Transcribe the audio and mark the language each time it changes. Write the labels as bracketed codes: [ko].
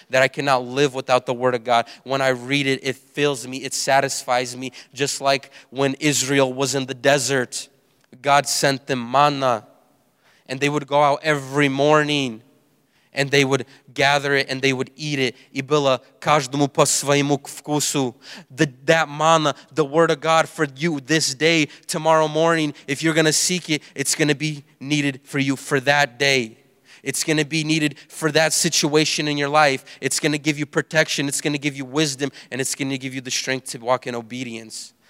[en] That I cannot live without the word of God. When I read it, it fills me. It satisfies me. Just like when Israel was in the desert, God sent them manna. And they would go out every morning and they would gather it and they would eat it. [ru] И было каждому по своему вкусу. [en] That manna, the word of God for you this day, tomorrow morning, if you're going to seek it, it's going to be needed for you for that day. It's going to be needed for that situation in your life. It's going to give you protection. It's going to give you wisdom. And it's going to give you the strength to walk in obedience.